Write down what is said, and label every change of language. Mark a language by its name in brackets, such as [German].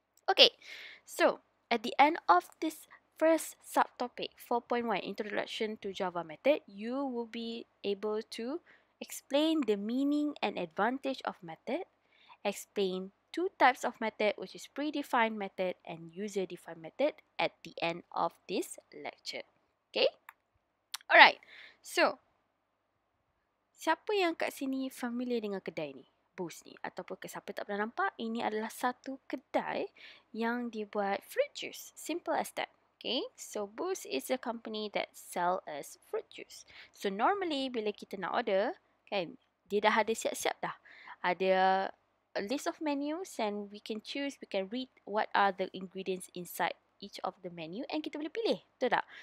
[English] Okay, so at the end of this first subtopic 4.1, introduction to Java method, you will be able to explain the meaning and advantage of method, explain two types of method, which is predefined method and user defined method, at the end of this lecture. Okay? Alright. [Malay] So, siapa yang kat sini familiar dengan kedai ni? Boos ni. Ataupun ke siapa tak pernah nampak, ini adalah satu kedai yang dia buat fruit juice. [English] Simple as that. Okay? So, Boos is a company that sell us fruit juice. [Malay] So, normally, bila kita nak order, kan, dia dah ada siap-siap dah. [English] Ada a list of menus and we can choose, we can read what are the ingredients inside each of the menu and kita boleh pilih, betul tak?